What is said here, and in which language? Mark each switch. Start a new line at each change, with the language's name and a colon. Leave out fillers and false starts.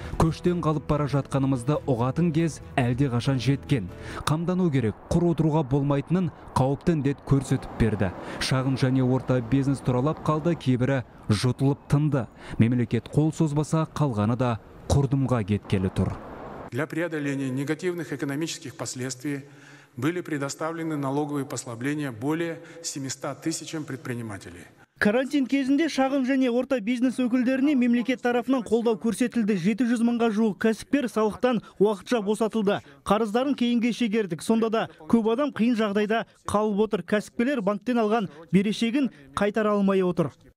Kazakh: Көштен қалып бара жатқанымызды ұғатын кез әлде қашан жеткен. Қамдану керек, құр отыруға болмайтынын қауіпті індет көрсетіп берді. Шағын және орта бизнес тұралап қалды, кейбірі жұтылып тынды. Мемлекет қол созбаса, қалғаны да құрдымға кеткелі тұр.
Russian: Для преодоления негативных экономических последствий были предоставлены налоговые послабления более 700 тысячам предпринимателей.
Kazakh: Карантин кезінде шағын және орта бизнес өкілдеріне мемлекет тарапынан қолдау көрсетілді. 700 мыңға жуық кәсіпкер салықтан уақытша босатылды. Қарыздарын кейінге шегердік. Сонда да көп адам қиын жағдайда қалып отыр. Кәсіпкерлер банктен алған берешегін қайтара алмай отыр.